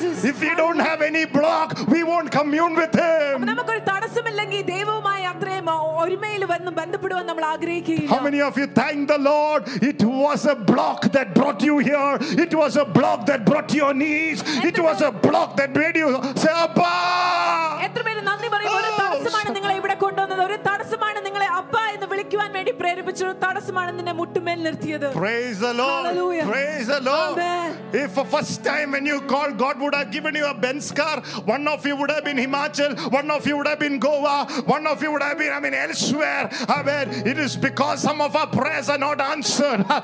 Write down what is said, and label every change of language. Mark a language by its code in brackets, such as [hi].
[en] If we don't have any block, we won't commune with him. [ml] നമുക്കൊരു തടസ്സമില്ലെങ്കിൽ ദൈവവുമായി അത്രയും ഒരുമയിൽ വന്ന് ബന്ധപ്പെടുവാൻ നമ്മൾ ആഗ്രഹിക്കുകയില്ല. [en] How many of you thank the Lord? It was a block that brought you here. It was a block that brought your knees. It was a block that made you say appa. [ml] എത്രമേൽ നന്ദി പറയുന്നു. ഒരു തടസ്സമാണ് നിങ്ങളെ ഇവിടെ കൊണ്ടുവന്നത്. ഒരു തടസ്സമാണ് നിങ്ങളെ അപ്പ എന്ന് വിളിക്കുവാൻ വേണ്ടി പ്രേരിപ്പിച്ചത്. തടസ്സമാണ് നിന്നെ മുട്ടുമേൽ നിർത്തിയത്. [en] Praise the Lord. Hallelujah. Praise the Lord. Amen. If for first time when you called, God would have given you a Benz car, one of you would have been Himachal, one of you would have been Goa, one of you would have been, I mean, elsewhere. Where it is because some of our prayers are not answered.